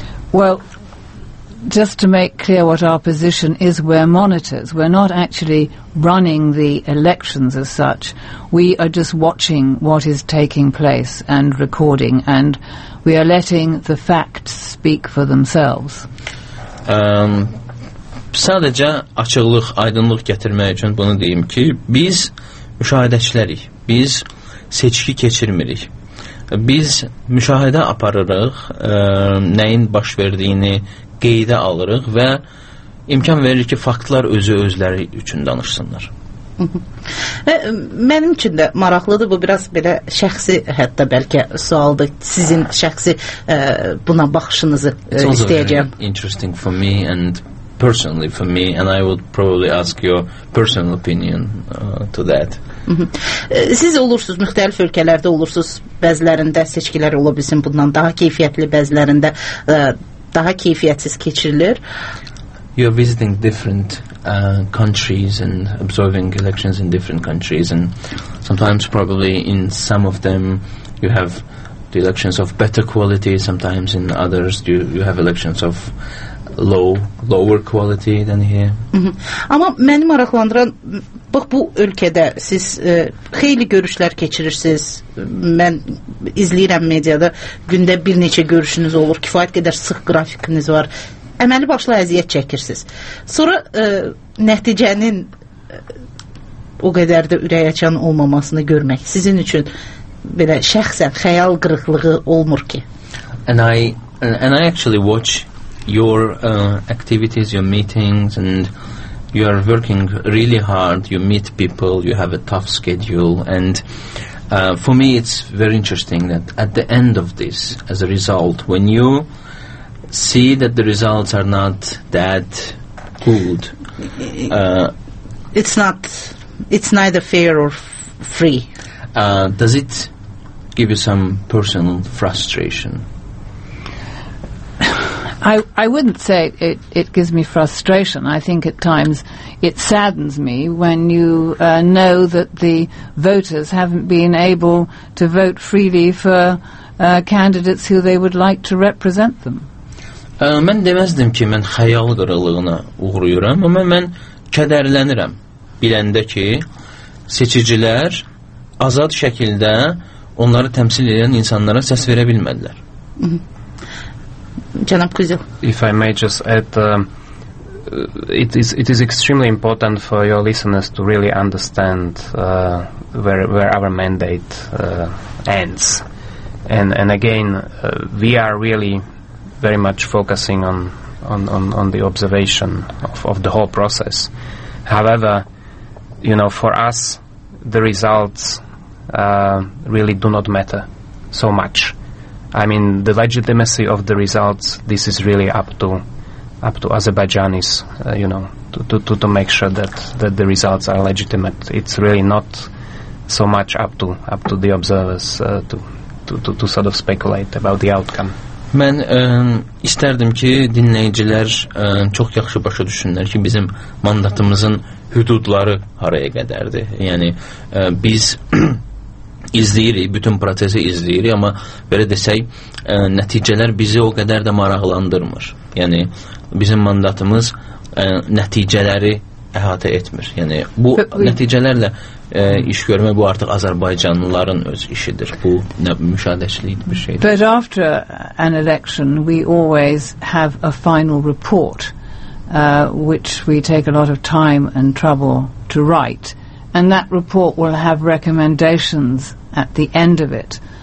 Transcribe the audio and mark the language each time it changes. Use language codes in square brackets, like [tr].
[en] Well, just to make clear what our position is, we're monitors. We're not actually running the elections as such. We are just watching what is taking place and recording, and we are letting the facts speak for themselves. [az] Sadəcə açıqlıq, aydınlıq gətirmək üçün bunu deyim ki, biz müşahidəçilərik, biz seçki keçirmirik. Biz müşahidə aparırıq, nəyin baş verdiyini qeydə alırıq və imkan verir ki, faktlar özü-özləri üçün danışsınlar. Mənim üçün də maraqlıdır, bu biraz belə şəxsi hətta bəlkə sualdır, sizin şəxsi buna baxışınızı istəyəcəm. [en] Interesting for me and personally for me, and I would probably ask your personal opinion to that. [az] Siz olursunuz, müxtəlif ölkələrdə olursunuz, bəzilərində seçkilər ola bilsin bundan daha keyfiyyətli, bəzilərində daha keyfiyyətsiz keçirilir. [en] You're visiting different countries and observing elections in different countries, and sometimes probably in some of them you have the elections of better quality, sometimes in others you have elections of lower quality than here. [az] Amma məni maraqlandıran, bax bu ölkədə siz xeyli görüşlər keçirirsiniz. Mən izləyirəm mediada, gündə bir neçə görüşünüz olur, kifayət qədər sıx qrafikiniz var. Əməli başla əziyyət çəkirsiniz. Sonra nəticənin o qədər də ürək açan olmamasını görmək sizin üçün belə şəxsən xəyal qırıqlığı olmur ki. [en] And I actually watch your activities, your meetings, and you are working really hard. You meet people, you have a tough schedule, and for me it's very interesting that at the end of this, as a result, when you see that the results are not that good, it's neither fair or free, does it give you some personal frustration? I wouldn't say it gives me frustration. I think at times it saddens me when you know that the voters haven't been able to vote freely for candidates who they would like to represent them. [az] Mən deməzdim ki, mən xəyal qırılığına uğruyuram, amma mən kədərlənirəm biləndə ki, seçicilər azad şəkildə onları təmsil edən insanlara səs verə bilmədilər. Cənab Kuzil. [en] If I may just add, it is extremely important for your listeners to really understand where our mandate ends. And again, we are really very much focusing on the observation of the whole process. However, you know, for us, the results really do not matter so much. I mean, the legitimacy of the results, this is really up to Azerbaijanis, you know, to make sure that the results are legitimate. It's really not so much up to the observers to sort of speculate about the outcome. [az] Mən istərdim ki, dinləyicilər çox yaxşı başa düşünlər ki, bizim mandatımızın hüdudları haraya qədərdir. Yəni, biz izləyirik, bütün prosesi izləyirik, amma belə desək, nəticələr bizi o qədər də maraqlandırmır. Yəni, bizim mandatımız nəticələri əhatə etmir. Yəni, bu nəticələrlə iş görmək, bu artıq Azərbaycanlıların öz işidir. Bu nə müşahidəçilik bir şeydir. [en] But after an election, we always have a final report, which we take a lot of time and trouble to write. And that report will have recommendations at the end of it.